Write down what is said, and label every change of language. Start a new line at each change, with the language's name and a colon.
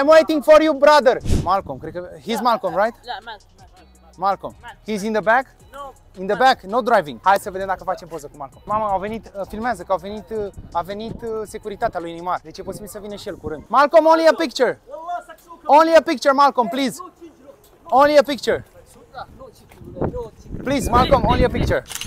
English: I'm waiting for you, brother. Malcolm,
Romanian: cred că
English: he's Malcolm, right? Yeah, Malcolm. Malcolm. He's in the back? No. In the back, no driving.
Romanian: Hai să vedem dacă facem poză cu Malcolm. Mama, au venit, filmează că a venit securitatea lui Neymar. Deci e posibil să vină și el curând.
English: Malcolm, only a picture. Only a picture, Malcolm, please. Only a picture. Please, Malcolm, only a picture.